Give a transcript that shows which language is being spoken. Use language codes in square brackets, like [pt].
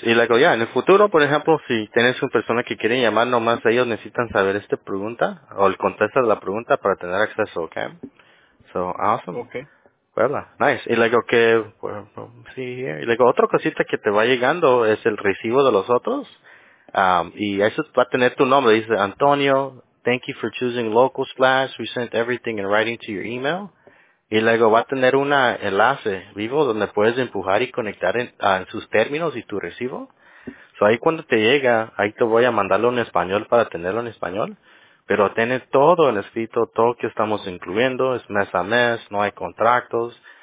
[es] Y luego, ya, en el futuro, por ejemplo, si tienes una persona que quiere llamar, nomás ellos necesitan saber esta pregunta o el contexto de la pregunta para tener acceso, ¿ok? [en] So, awesome. Okay. [es] Puebla. Nice. Y luego, que, sí, y luego, otra cosita que te va llegando es el recibo de los otros. Y eso va a tener tu nombre. Dice, [en] Antonio, thank you for choosing Local Splash. We sent everything in writing to your email. [es] Y luego va a tener un enlace vivo donde puedes empujar y conectar en sus términos y tu recibo. So ahí cuando te llega, ahí te voy a mandarlo en español para tenerlo en español. Pero tiene todo en escrito, todo que estamos incluyendo, es mes a mes, no hay contratos.